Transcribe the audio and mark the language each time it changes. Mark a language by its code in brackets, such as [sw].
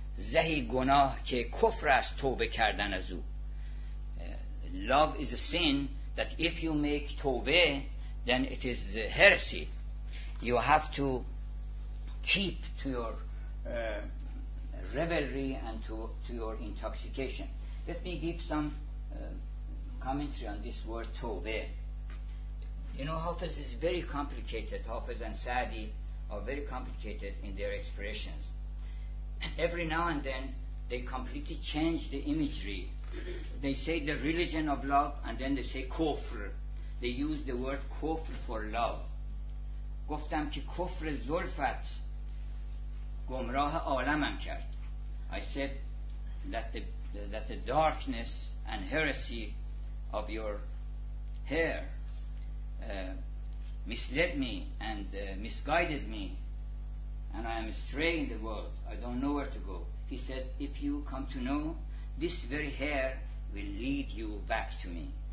[fa] زهی گناه که کفر است توبه کردن از او. [en] Love is a sin that if you make توبه, then it is heresy. You have to keep to your revelry and to your intoxication. Let me give some commentary on this word توبه. You know, Hafiz is very complicated. Hafiz and Sa'di are very complicated in their expressions. Every now and then they completely change the imagery. They say the religion of love, and then they say kufr. They use the word kufr for love. [fa] گفتم که کفر زلفت گمراه عالمم کرد. [en] I said that the darkness and heresy of your hair misled me and misguided me, and I am astray in the world. I don't know where to go. He said, if you come to know, this very hair will lead you back to me.